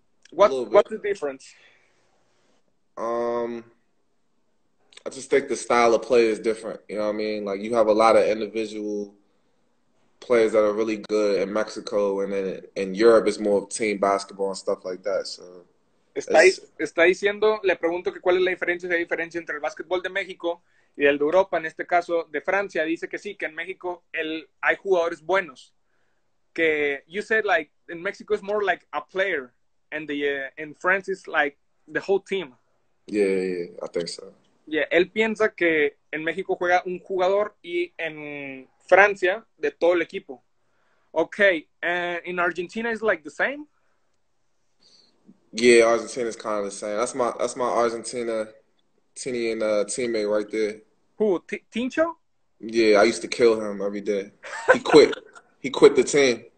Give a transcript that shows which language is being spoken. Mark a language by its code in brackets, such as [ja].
[en] What's the difference? I just think the style of play is different. You know what I mean? Like, you have a lot of individual players that are really good in Mexico, and then in Europe it's more of team basketball and stuff like that. So [es] está diciendo, le pregunto que cuál es la diferencia, si hay diferencia entre el básquetbol de México y el de Europa, en este caso de Francia. Dice que sí, que en México hay jugadores buenos. [en] Que you said, like, in Mexico it's more like a player, and in France it's like the whole team. Yeah, I think so. [es] Yeah, él piensa que en México juega un jugador y en Francia de todo el equipo. [en] Okay, and in Argentina it's like the same? Yeah, Argentina is kind of the same. That's my Argentina Tinian teammate right there. Who, Tincho? Yeah, I used to kill him every day. He quit. He quit the team.